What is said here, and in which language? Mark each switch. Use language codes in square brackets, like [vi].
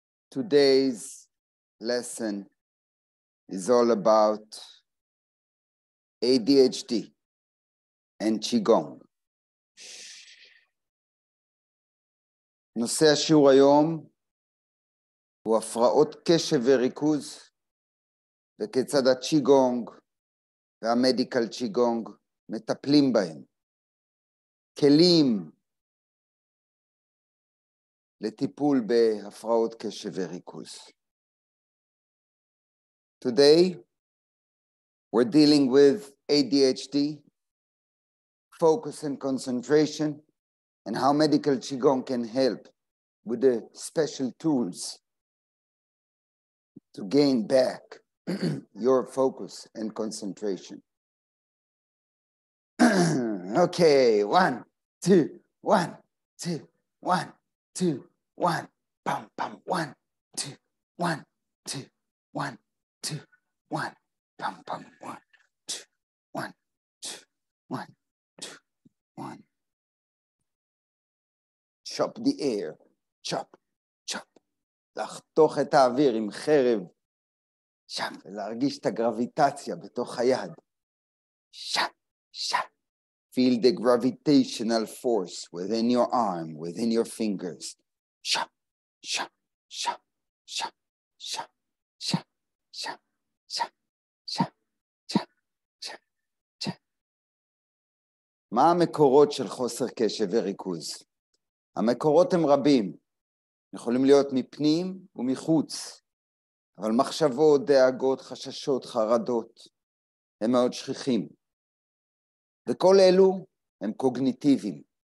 [en] Today's lesson is all about ADHD and Chikung. [he] נושא השיעור היום הוא הפרעות קשב וריכוז וכיצד הצ'יגונג והמדיקל צ'יגונג מטפלים בהם. כלים לטיפול בהפרעות קשב וריכוז. [en] Today we're dealing with ADHD, focus and concentration, and how medical Qigong can help with the special tools to gain back your focus and concentration. Okay, one, two, one, two, one, two, one, bum, bum, one, two, one, two, one, two, one, bum, bum, one, two, one, two, one, two, one. Chop the air, chop, chop. [he] לחתוך את האוויר עם חרב, שם, ולהרגיש את הגרביטציה בתוך היד, שם, שם. [en] Feel the gravitational force within your arm, within your fingers. Shup, shup, shup, shup, shup, shup, shup, shup, shup, shup, shup, shup. [he] מה המקורות של חוסר קשב וריכוז? המקורות הם רבים. יכולים להיות מפנים ומחוץ. אבל מחשבות, דאגות, חששות, חרדות, הם מאוד שכיחים. וכל אלו הם קוגניטיביים.